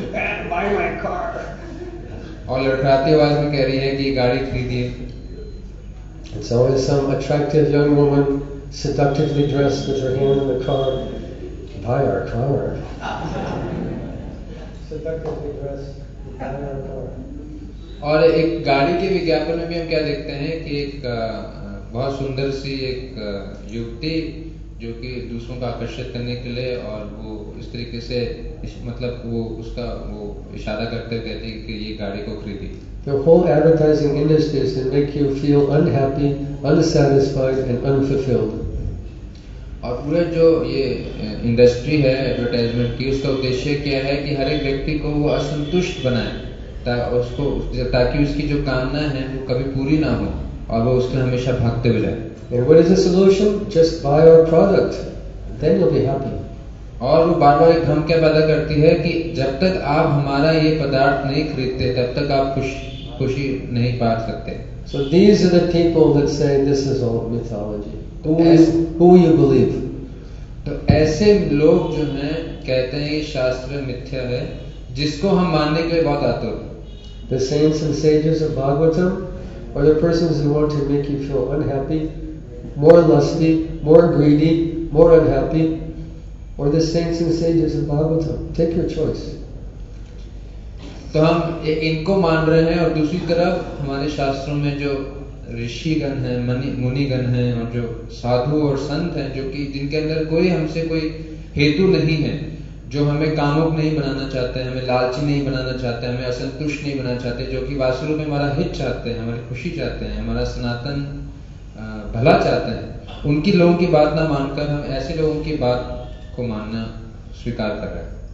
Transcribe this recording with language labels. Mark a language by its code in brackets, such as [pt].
[hi] और लड़खड़ाती आवाज में कह रही है कि गाड़ी खरीदिए. [en] It's always some attractive young woman seductively dressed with her hand in the car. buy our car. [hi] और एक गाड़ी के विज्ञापन में भी हम क्या देखते हैं कि एक बहुत सुंदर सी एक युवती जो कि दूसरों को आकर्षित करने के लिए और वो इस तरीके से मतलब वो उसका वो इशारा करते कहते हैं कि ये गाड़ी को खरीदी। [en] The whole advertising industry is to make you feel unhappy, unsatisfied, and unfulfilled. [hi] और पूरा जो ये इंडस्ट्री है एडवर्टाइजमेंट की उसका उद्देश्य क्या है कि हर एक व्यक्ति को वो असंतुष्ट बनाए ताकि उसकी जो कामना है वो कभी पूरी ना हो और वो उसके हमेशा भागते हुए जाए। [en] And what is the solution? Just buy our product, then you'll be happy. [hi] और वो बार बार एक भ्रम क्या पैदा करती है कि जब तक आप हमारा ये पदार्थ नहीं खरीदते तब तक आप खुशी नहीं पा सकते। [en] So these are the people that say this is all mythology. Who you believe? [hi] तो ऐसे लोग जो हैं कहते हैं ये शास्त्र मिथ्या है जिसको हम मानने के लिए बहुत आतुर। [en] The saints and sages of Bhagavatam are the persons who want to make you feel unhappy, more lusty, more greedy, more unhappy, or the saints and sages of Bhagavatam. Take your choice. [hi] तो हम इनको मान रहे हैं और दूसरी तरफ हमारे शास्त्रों में जो ऋषिगण हैं मुनिगण हैं और जो साधु और संत हैं जो कि जिनके अंदर कोई हमसे कोई हेतु नहीं है जो हमें कामुक नहीं बनाना चाहते हैं हमें लालची नहीं बनाना चाहते हैं हमें असंतुष्ट नहीं बनाना चाहते जो कि वास्तव में हमारा हित चाहते हैं हमारी खुशी चाहते हैं हमारा सनातन भला चाहते हैं उनकी लोगों की बात ना मानकर हम ऐसे लोगों की बात को मानना स्वीकार कर रहे हैं।